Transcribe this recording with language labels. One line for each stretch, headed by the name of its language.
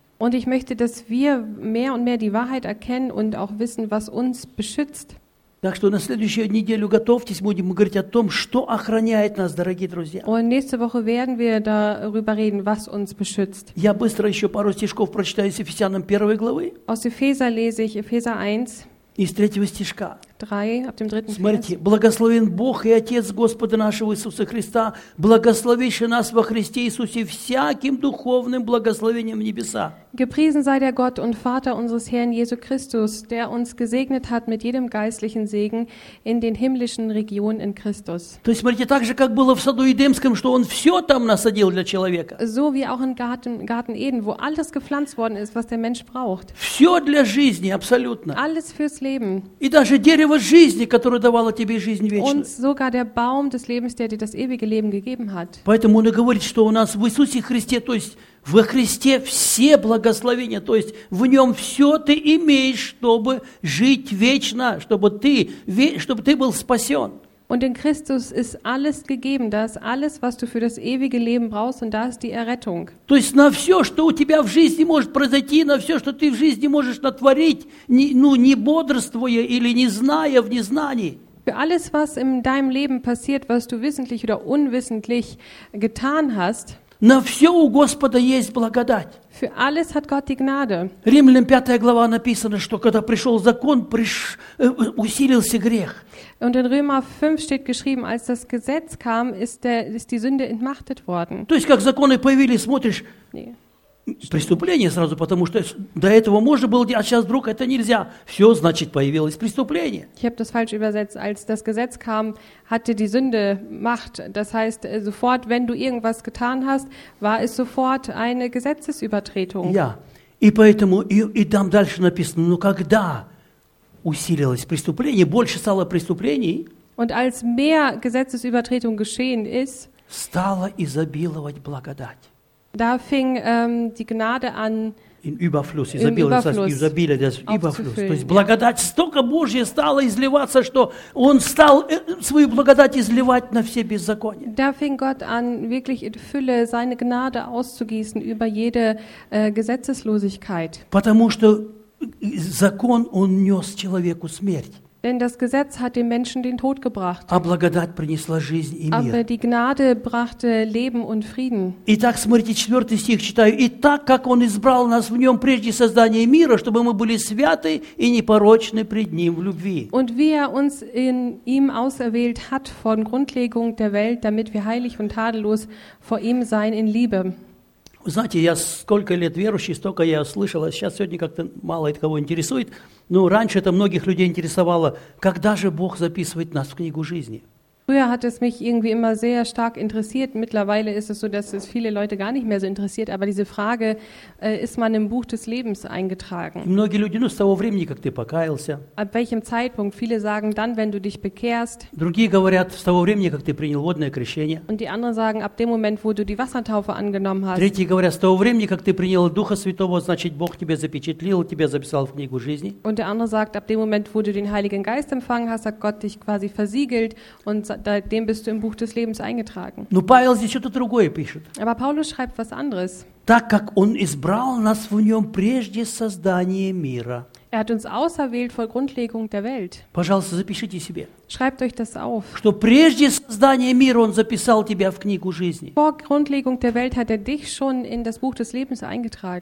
German: Und ich möchte, dass wir mehr und mehr die Wahrheit erkennen und auch wissen, was uns beschützt.
Russian: Так что на следующую неделю готовьтесь, будем говорить о том, что охраняет нас, дорогие друзья.
German: Und nächste Woche werden wir darüber reden, was uns beschützt.
Russian: Я быстро еще пару стишков прочитаю из Ефесянам 1 главы.
German: Aus Epheser lese ich Epheser 1.
Russian: Из третьего стишка.
German: 3, ab dem 3.
Russian: Смотрите, благословен Бог и Отец Господа нашего Иисуса Христа, благословивший нас во Христе Иисусе всяким духовным благословением небеса.
German: Gepriesen sei der Gott und Vater unseres Herrn Jesu Christus, der uns gesegnet hat mit jedem geistlichen Segen in den himmlischen Regionen in Christus.
Russian: То есть, смотрите, так же, как было в саду Эдемском, что Он все там насадил для человека.
German: So wie auch im Garten Eden, wo alles gepflanzt worden ist, was der Mensch braucht.
Russian: Все для жизни, абсолютно.
German: Alles fürs Leben.
Russian: И даже дерево жизни, которое давало тебе жизнь вечную.
German: Und sogar der Baum des Lebens, der dir das ewige Leben gegeben hat.
Russian: Поэтому Он и говорит, что у нас в Иисусе Христе, то есть во Христе все благословения, то есть в Нем все ты имеешь, чтобы жить вечно, чтобы ты был спасен.
German: Und in Christus ist alles gegeben, da ist alles, was du für das ewige Leben brauchst, und da ist die Errettung.
Russian: То есть на все, что у тебя в жизни может произойти, на все, что ты в жизни можешь натворить, не бодрствуя или не зная в незнании.
German: Für alles, was in deinem Leben passiert, was du wissentlich oder unwissentlich getan hast,
Russian: на все у Господа есть благодать.
German: Für alles hat Gott die Gnade.
Russian: Римлянам 5 глава написано, что когда пришел закон, усилился грех.
German: Und in Römer 5 steht geschrieben, als das Gesetz kam, ist die Sünde entmachtet worden.
Russian: То есть, как законы появились, смотришь, nee. Преступление сразу, потому что до этого можно было делать, а сейчас вдруг это нельзя. Все, значит, появилось преступление.
German: Ich habe das falsch übersetzt. Als das Gesetz kam, hatte die Sünde Macht. Das heißt, sofort, wenn du irgendwas getan hast, war es sofort eine Gesetzesübertretung.
Russian: Ja, и поэтому, и там дальше написано, но когда усилилось преступление, больше стало преступлений,
German: und als mehr Gesetzesübertretung geschehen ist,
Russian: стало изобиловать благодать.
German: Da fing die Gnade an, in Überfluss,
Russian: изобилие, то есть благодать, столько Божья стала изливаться, что Он стал свою благодать изливать на все беззакония.
German: Da fing Gott an, wirklich in Fülle seine Gnade auszugießen über jede Gesetzeslosigkeit.
Russian: Потому что закон, Он нес человеку смерть.
German: Denn das Gesetz hat dem Menschen den Tod gebracht.
Russian: А благодать принесла жизнь и мир.
German: Aber die Gnade brachte Leben und Frieden.
Russian: Итак, смотрите, 4 стих читаю. Итак, как Он избрал нас в Нем прежде создания мира, чтобы мы были святы и непорочны пред Ним в любви.
German: Und wie er uns in ihm auserwählt hat von Grundlegung der Welt, damit wir heilig und tadellos vor ihm sein in Liebe.
Russian: Знаете, я сколько лет верующий, столько я слышал, а сейчас сегодня как-то мало это кого интересует. Но раньше это многих людей интересовало, когда же Бог записывает нас в книгу жизни.
German: Früher hat es mich irgendwie immer sehr stark interessiert. Mittlerweile ist es so, dass es viele Leute gar nicht mehr so interessiert. Aber diese Frage, ist man im Buch des Lebens eingetragen?
Russian: Многие люди, ну, с того времени, как ты покаялся.
German: Ab welchem Zeitpunkt? Viele sagen dann, wenn du dich bekehrst.
Russian: Другие говорят, с того времени, как ты принял водное крещение.
German: Und die anderen sagen, ab dem Moment, wo du die Wassertaufe angenommen hast.
Russian: Третьи говорят, с того времени, как ты принял Духа Святого, значит, Бог тебя запечатлел, тебя записал в книгу жизни.
German: Und der andere sagt, ab dem Moment, wo du den Heiligen Geist empfangen hast, hat Gott dich quasi versiegelt und dem bist du im Buch des Lebens eingetragen.
Russian: Но Павел здесь что-то другое пишет.
German: Aber Paulus schreibt was anderes.
Russian: Так как он избрал нас в нем прежде создания мира.
German: Er hat uns auserwählt vor Grundlegung der Welt.
Russian: Пожалуйста, запишите себе.
German: Schreibt euch das auf.
Russian: Что прежде создания мира он записал тебя в книгу жизни.
German: Vor Grundlegung der Welt hat dich schon in das Buch des Lebens eingetragen.